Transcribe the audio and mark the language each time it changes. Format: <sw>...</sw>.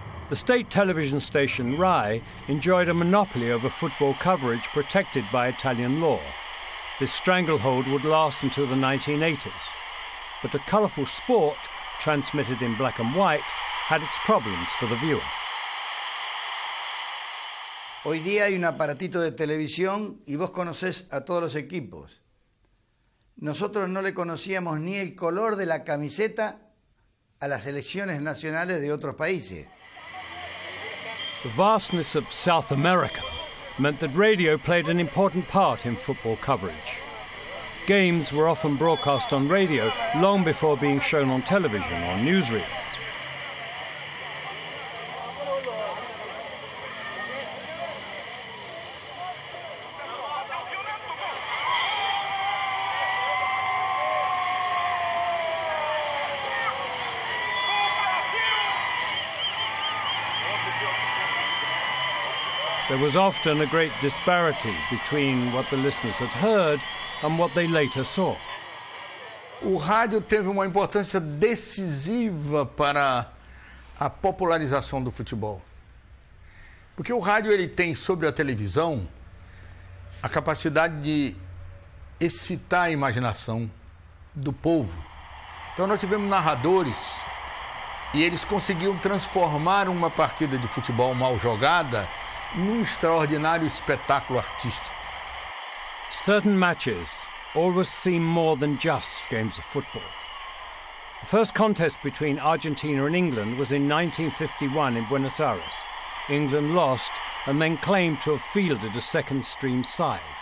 <en>The state television station RAI enjoyed a monopoly over football coverage protected by Italian law. This stranglehold would last until the 1980s. But a colourful sport, transmitted in black and white, had its problems for the viewer.</en> <es>Hoy día hay un aparatito de televisión y vos conocés a todos los equipos. Nosotros no le conocíamos ni el color de la camiseta a las selecciones nacionales de otros países.</es> <en>The vastness of South America meant that radio played an important part in football coverage. Games were often broadcast on radio long before being shown on television or newsreels. There was often a great disparity between what the listeners had heard and what they later saw.</en> <pt>O rádio teve uma importância decisiva para a popularização do futebol. Porque o rádio ele tem sobre a televisão a capacidade de excitar a imaginação do povo. Então nós tivemos narradores e eles conseguiam transformar uma partida de futebol mal jogada num extraordinário espetáculo artístico.</pt> <en>Certain matches always seem more than just games of football. The first contest between Argentina and England was in 1951 in Buenos Aires. England lost and then claimed to have fielded a second stream side.</en>